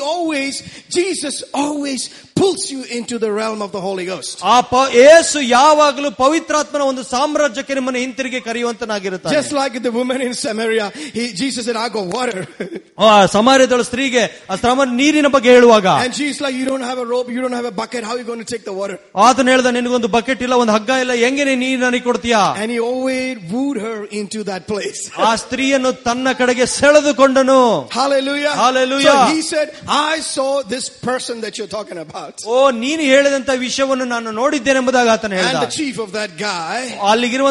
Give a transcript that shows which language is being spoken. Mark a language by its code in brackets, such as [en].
[en] He said Jesus always pulls you into the realm of the Holy Ghost. [kn] ಆ ಯೇಸು ಯಾವಾಗಲು ಪವಿತ್ರಾತ್ಮನ ಒಂದು ಸಾಮ್ರಾಜ್ಯಕ್ಕೆ ನಿಮ್ಮನ್ನು ಹಿಂತಿರುಗಿ ಕರೆಯುವಂತನಾಗಿರುತ್ತಾನೆ. [en] Just like the woman in Samaria, Jesus said, I go water. [kn] ಸಮಾರ್ಯದಳ ಸ್ತ್ರೀಗೆ ಅಸ್ತ್ರಮ ನೀರಿನ ಬಗ್ಗೆ ಹೇಳುವಾಗ, [en] and Jesus like, you don't have a rope, you don't have a bucket, how are you going to take the water? [kn] ಆತನು ಹೇಳಿದ, ನಿನಗೊಂದು bucket ಇಲ್ಲ, ಒಂದು ಹಗ್ಗ ಇಲ್ಲ, ಹೆಂಗೆ ನೀರು ನನಗೆ ಕೊಡ್ತೀಯಾ? [en] And he always wooed her into that place. [kn] ಆ ಸ್ತ್ರೀಯನ್ನು ತನ್ನ ಕಡೆಗೆ ಸೆಳೆದುಕೊಂಡನು. [en] Hallelujah. Hallelujah. So he said, I saw this person that you're talking about. about. And the chief of that guy. Hallelujah.